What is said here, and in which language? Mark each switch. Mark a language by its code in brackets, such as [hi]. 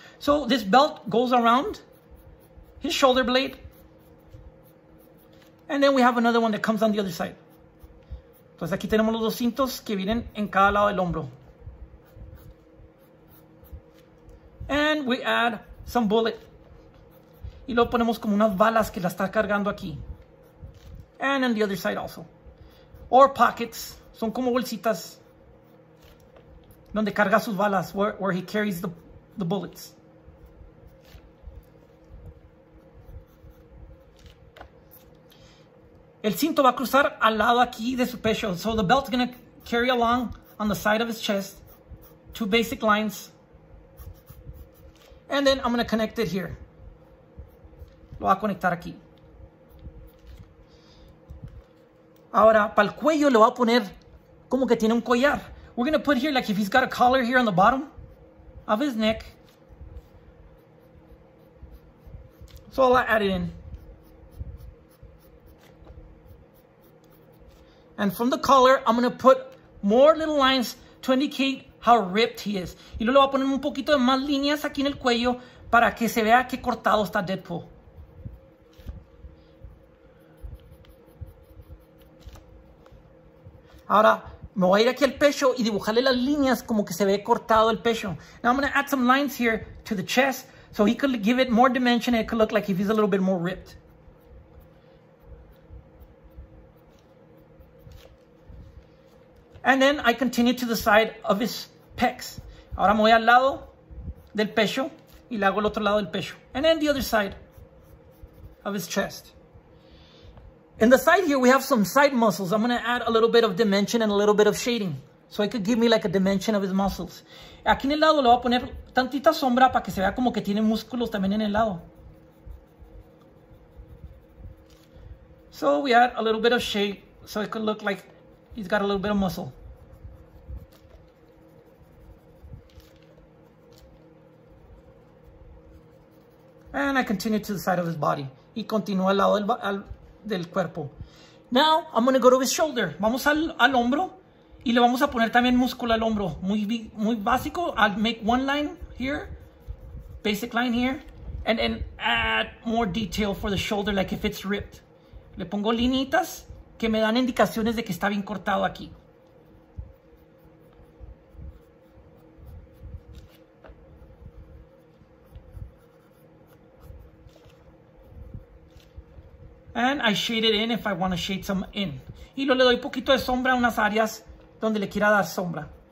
[en] So this belt goes around his shoulder blade. And then we have another one that comes on the other side. [es] Entonces aquí tenemos los dos cintos que vienen en cada lado del hombro. [en] And we add some bullet. [es] Y luego ponemos como unas balas que la está cargando aquí. [en] And on the other side also. Or pockets. [es] Son como bolsitas donde carga sus balas, [en] where he carries the bullets. [es] El cinto va a cruzar al lado aquí de su pecho. [en] So the belt's going to carry along on the side of his chest. Two basic lines. And then I'm going to connect it here. [es] Lo va a conectar aquí. Ahora, para el cuello le va a poner como que tiene un collar. [en] We're going to put here like if he's got a collar here on the bottom of his neck. So I'll add it in. And from the collar, I'm going to put more little lines to indicate how ripped he is. [es] Y luego le voy a poner un poquito de más líneas aquí en el cuello para que se vea qué cortado está Deadpool. Ahora, Me voy a ir aquí al pecho y dibujarle las líneas como que se ve cortado el pecho. [en] Now I'm going to add some lines here to the chest so he could give it more dimension and it could look like if he's a little bit more ripped. And then I continue to the side of his pecs. [es] Ahora me voy al lado del pecho y le hago el otro lado del pecho. [en] And then the other side of his chest. In the side here, we have some side muscles. I'm going to add a little bit of dimension and a little bit of shading. So it could give me like a dimension of his muscles. [es] Aquí en el lado le voy a poner tantita sombra para que se vea como que tiene músculos también en el lado. [en] So we add a little bit of shade so it could look like he's got a little bit of muscle. And I continue to the side of his body. [es] Y continúa al lado del cuerpo. [en] Now, I'm going to go to his shoulder. [es] Vamos al hombro. Y le vamos a poner también músculo al hombro. Muy, muy básico. [en] I'll make one line here. Basic line here. And then add more detail for the shoulder, like if it's ripped. [es] Le pongo linitas que me dan indicaciones de que está bien cortado aquí. [en] And I shade it in if I want to shade some in. [es] Y luego le doy poquito de sombra a unas áreas donde le quiera dar sombra.